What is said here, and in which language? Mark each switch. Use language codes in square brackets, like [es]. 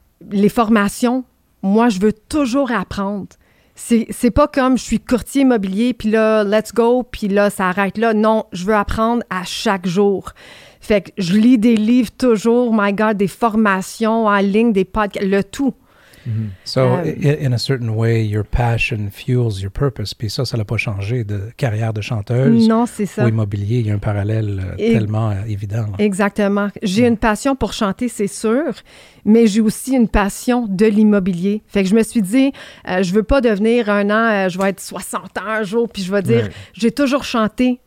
[fr] Les formations, moi, je veux toujours apprendre. C'est pas comme je suis courtier immobilier, puis là, [en] let's go, [fr] puis là, ça arrête là. Non, je veux apprendre à chaque jour. Fait que je lis des livres toujours, [en] my God, [fr] des formations en ligne, des podcasts, le tout. Mm-hmm. [en] So, in a certain way, your passion fuels your purpose. [fr] Puis ça n'a pas changé de carrière de chanteuse. Non, c'est ça. Ou immobilier, il y a un parallèle tellement évident. Là. Exactement. J'ai une passion pour chanter, c'est sûr, mais j'ai aussi une passion de l'immobilier. Fait que je me suis dit, je veux pas devenir un an, je vais être 60 ans un jour, puis je vais dire, j'ai toujours chanté.